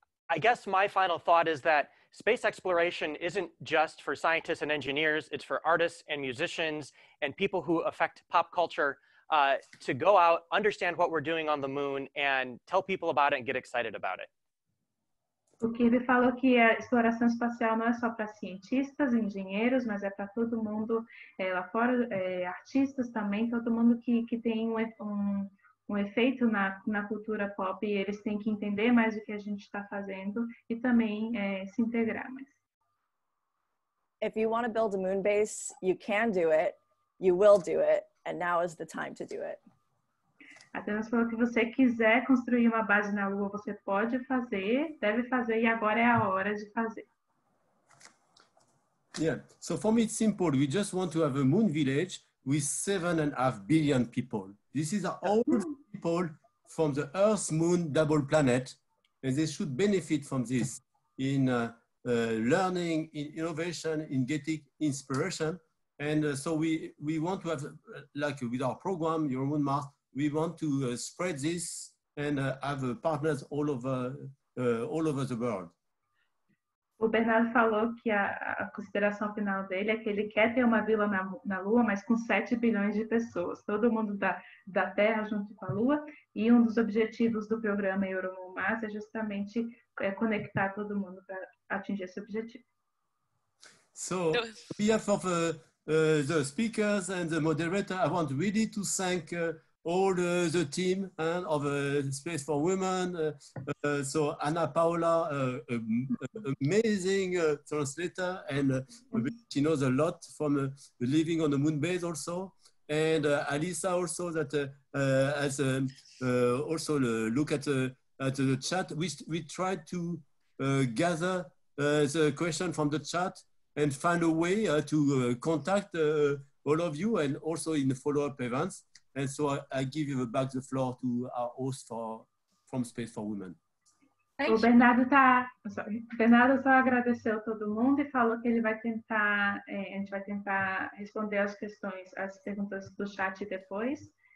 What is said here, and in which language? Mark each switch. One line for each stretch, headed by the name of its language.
English: I guess my final thought is that space exploration isn't just for scientists and engineers, it's for artists and musicians and people who affect pop culture to go out, understand what we're doing on the moon and tell people about it and get excited about it.
Portuguese: O Kirby falou que a exploração espacial não é só para cientistas e engenheiros, mas é para todo mundo lá fora, artistas também, todo mundo que tem um efeito na cultura pop, e eles têm que entender mais o que a gente está fazendo e também se integrar mais.
English: If you want to build a moon base, you can do it, you will do it, and now is the time to do it.
Portuguese: Athenas falou que você quiser construir uma base na Lua, você pode fazer, deve fazer, e agora é a hora de fazer.
English: Yeah, so for me it's simple, we just want to have a moon village with 7.5 billion people. This is all people from the Earth-Moon double planet, and they should benefit from this in learning, in innovation, in getting inspiration. And so we want to have, like with our program, Your Moon Mars, we want to spread this and have partners all over the world.
Portuguese: O Bernardo falou que a consideração final dele é que ele quer ter uma vila na Lua, mas com 7 bilhões de pessoas, todo mundo da Terra junto com a Lua. E um dos objetivos do programa Euromoon Mars é justamente conectar todo mundo para atingir esse objetivo.
English: So, on behalf of the speakers and the moderator, I want really to thank all the team of Space for Women. So Anna Paula, amazing translator, and she knows a lot from living on the moon base also. And Alissa also that has also look at the chat. We try to gather the question from the chat and find a way to contact all of you and also in the follow-up events. And so I give you back the floor to our host from Space for Women.
Portuguese: O Bernardo tá,
English: sorry.
Portuguese: Bernardo só agradeceu todo mundo e falou que ele vai tentar, a gente vai tentar responder as perguntas do chat depois.